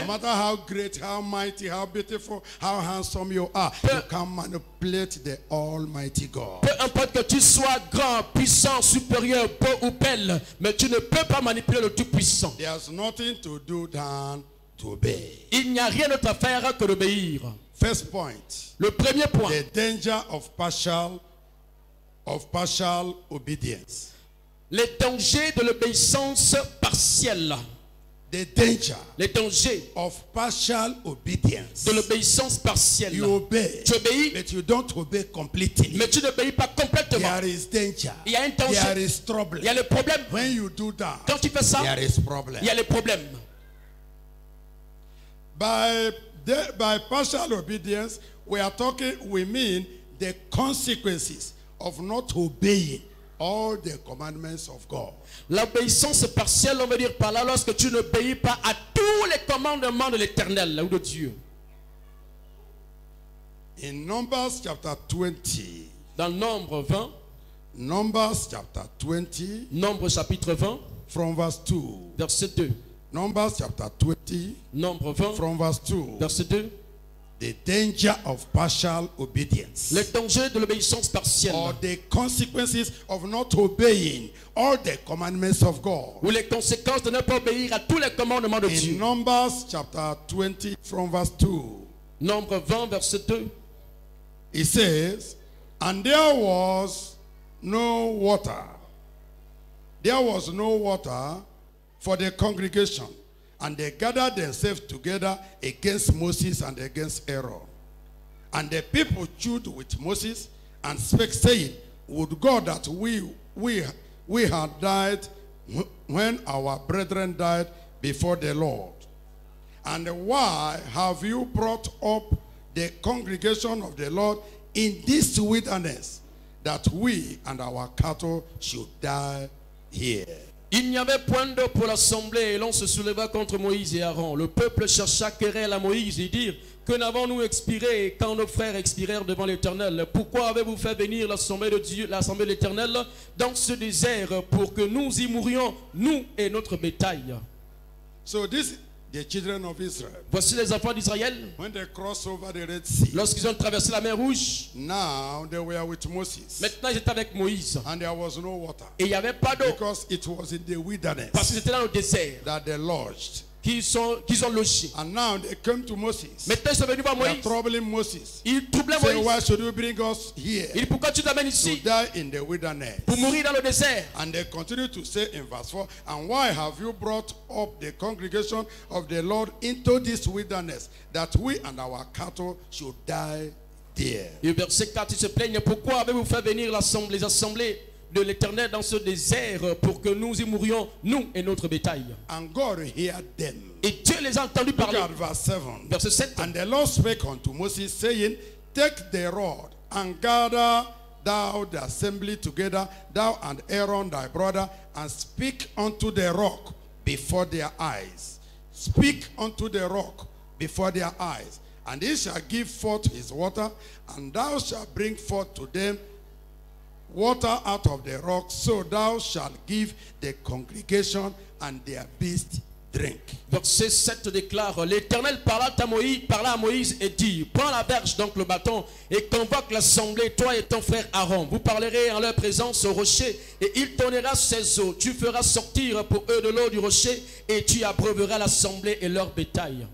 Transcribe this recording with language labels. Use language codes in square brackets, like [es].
[en] No matter how great, how mighty, how beautiful, how handsome you are, you can manipulate the Almighty God. [fr] Peu importe que tu sois grand, puissant, supérieur, beau ou belle, mais tu ne peux pas manipuler le Tout-Puissant. [en] There is nothing to do than to obey. [fr] Il n'y a rien d'autre à faire que d'obéir. [en] First point. [fr] Le premier point. [en] The danger of partial obedience. [fr] Les dangers de l'obéissance partielle. [en] The danger. [fr] Les dangers [en] of partial obedience. [fr] De l'obéissance partielle. [en] You obey, [fr] tu obéis, [en] but you don't obey completely. [fr] Mais tu n'obéis pas complètement. [en] There is danger. [fr] Il y a un danger. [en] There is trouble. [fr] Il y a le problème. [en] When you do that, [fr] quand tu fais ça, [en] there is problem. [fr] Il y a le problème. [en] By partial obedience, we mean the consequences of not obeying all the commandments of God. [fr] L'obéissance partielle, on veut dire par là, lorsque tu n'obéis pas à tous les commandements de l'Éternel ou de Dieu. [en] In Numbers chapter 20. [fr] Dans Nombre 20. [en] Numbers chapter 20. [fr] Nombre chapitre 20. [en] From verse 2. [fr] Verset 2. [en] Numbers chapter 20. [fr] Nombre 20. [en] From verse 2. [fr] Verset 2. [en] The danger of partial obedience. [fr] Le danger de l'obéissance partielle. [en] Or the consequences of not obeying all the commandments of God. [fr] Ou les conséquences de ne pas obéir à tous les commandements de Dieu. [en] In Numbers chapter 20 from verse 2. [fr] Nombre 20 verset 2. [en] It says, and there was no water. There was no water for the congregation. And they gathered themselves together against Moses and against Aaron. And the people chewed with Moses and spake, saying, would God that we had died when our brethren died before the Lord. And why have you brought up the congregation of the Lord in this wilderness that we and our cattle should die here? [fr] Il n'y avait point d'eau pour l'assemblée et l'on se souleva contre Moïse et Aaron. Le peuple chercha querelle à Moïse et dirent, que n'avons-nous expiré quand nos frères expirèrent devant l'Éternel? Pourquoi avez-vous fait venir l'assemblée de Dieu, l'assemblée de l'Éternel dans ce désert pour que nous y mourions, nous et notre bétail? [en] So this, the children of Israel, [fr] voici les enfants d'Israël. [en] When they cross over the Red sea, [fr] lorsqu'ils ont traversé la mer Rouge, [en] now they were with Moses, [fr] maintenant ils étaient avec Moïse. [en] And there was no water, [fr] et il n'y avait pas d'eau. [en] Because it was in the wilderness, [fr] parce qu'ils étaient dans le désert. [en] That they lodged, [fr] qu'ils ont logé. [en] And now they came to Moses, [fr] maintenant ils sont venus voir Moïse. [en] They are troubling Moses. [fr] Ils troublaient Moïse. [en] Say, why should you bring us here? [fr] Il dit, pourquoi tu t'amènes ici? [en] To die in the wilderness, [fr] pour mourir dans le désert. [en] And they continue to say in verse 4, and why have you brought up the congregation of the Lord into this wilderness that we and our cattle should die there? [fr] Et verset 4, ils se plaignent, pourquoi avez-vous fait venir l'assemblée, les assemblées de l'Éternel dans ce désert pour que nous y mourions, nous et notre bétail? [en] And God heard them. [fr] Et Dieu les a entendus parler. [en] Look at verse 7. [fr] Verset 7. [en] And the Lord spake unto Moses, saying, take the rod and gather thou the assembly together, thou and Aaron thy brother, and speak unto the rock before their eyes. Speak unto the rock before their eyes, and he shall give forth his water, and thou shalt bring forth to them water out of the rock, so thou shalt give the congregation and their beast drink. [fr] Verset 7 déclare, l'Éternel parla à Moïse et dit, prends la verge, donc le bâton, et convoque l'assemblée, toi et ton frère Aaron. Vous parlerez en leur présence au rocher, et il donnera ses eaux. Tu feras sortir pour eux de l'eau du rocher, et tu abreuveras l'assemblée et leur bétail.